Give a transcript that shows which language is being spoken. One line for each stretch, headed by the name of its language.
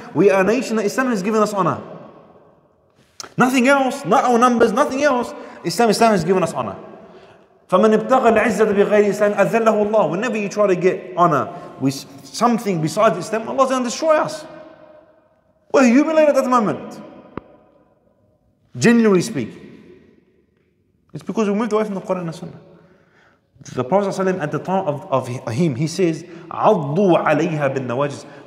English: We are a nation that Islam has given us honor. Nothing else, not our numbers, nothing else. Islam has given us honor.
Arabic: فمن ابتغى العزة بغير إسلام أذله الله.
English: Whenever you try to get honor with something besides Islam, Allah is going to destroy us. We're humiliated at the moment. Genuinely speaking. It's because we moved away from the Quran and the Sunnah. The Prophet ﷺ at the time of him, he says,
Arabic: عَضُّوا عَلَيْهَا بِالنَّوَاجِزِ.